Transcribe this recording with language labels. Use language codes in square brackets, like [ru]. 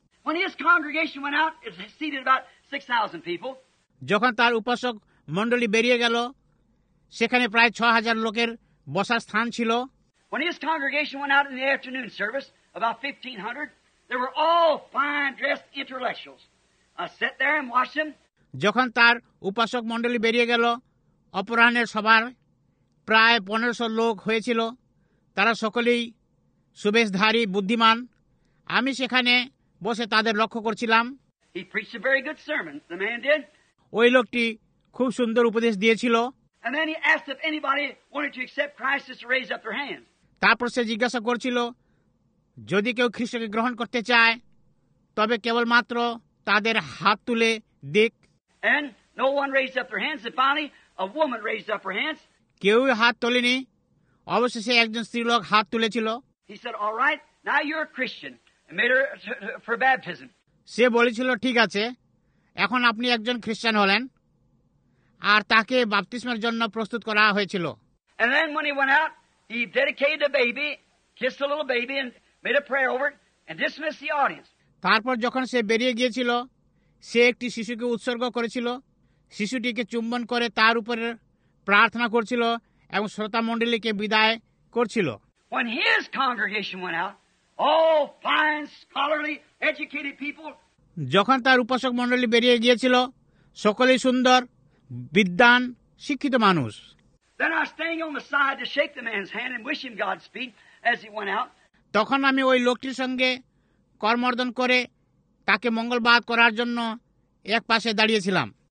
[en] When his congregation went out, it seated about 6,000 people. [bn] যখন তার উপাসক মণ্ডলী বেরিয়ে গেল, সেখানে প্রায় 6,000 লোকের বসার স্থান ছিল। [en] When his congregation went out in the afternoon service, about 1,500, there were all fine-dressed intellectuals. I sat there and watched them. [bn] যখন তার উপাসক মণ্ডলী বেরিয়ে গেল অপরাহ্নের সভার, প্রায় 1,500 লোক হয়েছিল, তারা সকলেই সুবেশধারী, বুদ্ধিমান। আমি সেখানে বসে তাদের লক্ষ্য করছিলাম। [en] He preached a very good sermon, the man did. [bn] ওই লোকটি খুব সুন্দর উপদেশ দিয়েছিল। [en] And then he asked if anybody wanted to accept Christ to raise up their hand. [bn] তারপর সে জিজ্ঞাসা করছিল যদি কেউ খ্রিস্টকে গ্রহণ করতে চায় তবে কেবল মাত্র তাদের হাত তুলে দিক। [en] And no one raised up their hands. And finally, a woman raised up her hands. [bn] কেউ হাত তোলেনি। অবশেষে একজন স্ত্রীলোক হাত তুলেছিল। [en] He said, "All right, now you're a Christian." And made her for baptism. [bn] সে বলেছিল ঠিক আছে এখন আপনি একজন খ্রিস্টান হলেন আর তাকে বাপতিস্মের জন্য প্রস্তুত করা হয়েছিল। [en] And then when he went out, he dedicated the baby, kissed the little baby and made a prayer over it and dismissed the audience. [bn] তারপর যখন সে বেরিয়ে গিয়েছিল সে একটি শিশুকে উৎসর্গ করেছিল শিশুটিকে চুম্বন করে তার উপরে প্রার্থনা করছিল এবং শ্রোতা মণ্ডলীকে বিদায় করছিল। [en] When his congregation went out, all fine, scholarly, educated people, [bn] যখন তার উপাসক মণ্ডলী বেরিয়ে গিয়েছিল সকলেই সুন্দর বিদ্বান শিক্ষিত মানুষ। [en] Then I stayed on the side to shake the man's hand and wish him Godspeed as he went out. [bn] তখন আমি ওই লোকটির সঙ্গে করমর্দন করে তাকে মঙ্গলবাদ করার জন্য এক পাশে দাঁড়িয়েছিলাম।